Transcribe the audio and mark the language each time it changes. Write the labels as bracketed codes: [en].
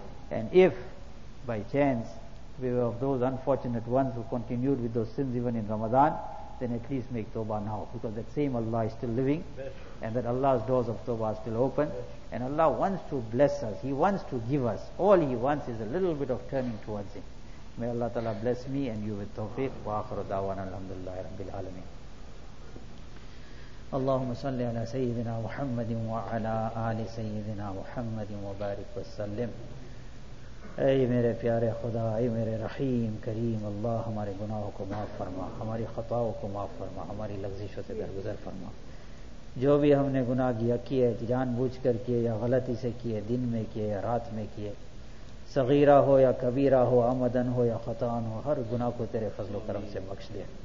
[en] And if by chance we were of those unfortunate ones who continued with those sins even in Ramadan, then at least make tawbah now, because that same Allah is still living, and that Allah's doors of tawbah are still open, and Allah wants to bless us. He wants to give us. All He wants is a little bit of turning towards Him. May Allah Ta'ala bless me and you with tawfiq. [ar] Wa akhiru da'wana alhamdulillahi rabbil alameen. اللهم صل على سيدنا محمد وعلى آل سيدنا محمد وبارك وسلم. [ur] اے میرے پیارے خدا, اے میرے رحیم کریم اللہ, ہمارے گناہوں کو معاف فرما, ہماری خطاؤں کو معاف فرما, ہماری لغزشوں سے درگزر فرما. جو بھی ہم نے گناہ کیا ہے, جان بوجھ کر کیے یا غلطی سے کیے, دن میں کیے یا رات میں کیے, صغیرہ ہو یا کبیرہ ہو, عمدن ہو یا خطان ہو, ہر گناہ کو تیرے فضل و کرم سے بخش دے.